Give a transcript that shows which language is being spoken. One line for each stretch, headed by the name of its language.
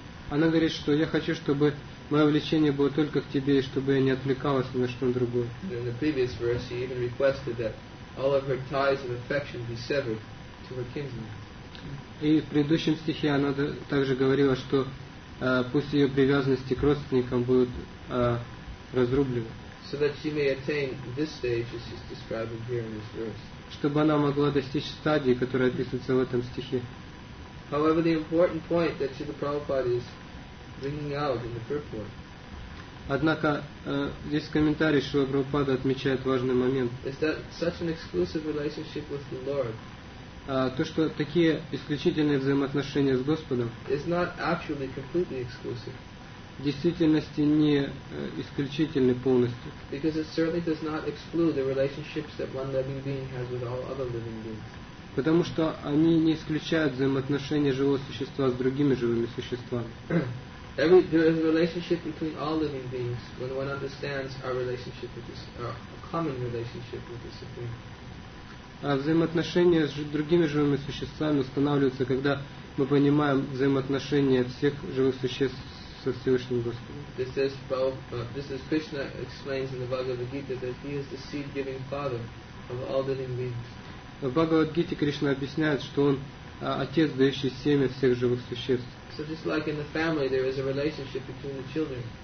Russian: Она говорит, что я хочу, чтобы мое влечение было только к тебе, и чтобы я не отвлекалась ни на что другое.
English: In the previous verse, she even requested that all of her ties of affection be severed to her kinsmen.
Russian: И в предыдущем стихе она также говорила, что пусть ее привязанности к родственникам будут разрублены.
English: So that she may attain this stage, as she's describing here in this verse.
Russian: Чтобы она могла достичь стадии, которая описывается в этом стихе.
English: However, the important point that Srila Prabhupada is bringing out in the purport.
Russian: Однако здесь в комментарии Шрила Прабхупада отмечает важный момент.
English: Is that such an exclusive relationship with the Lord?
Russian: То, что такие исключительные взаимоотношения с Господом
English: is not actually completely exclusive.
Russian: В действительности не исключительны полностью.
English: Because it certainly does not exclude the relationships that one living being has with all other living beings.
Russian: Потому что они не исключают взаимоотношения живого существа с другими живыми существами.
English: There is a relationship between all living beings when one understands our relationship with this, a common relationship with the Supreme.
Russian: А взаимоотношения с другими живыми существами устанавливаются, когда мы понимаем взаимоотношения всех живых существ со Всевышним Господом.
English: This is Krishna explains in the Bhagavad Gita that he is the seed-giving father of all living beings.
Russian: В Бхагавад-гите Кришна объясняет, что он отец, дающий семя всех живых существ.
English: So just like in the family, there is a relationship between the children.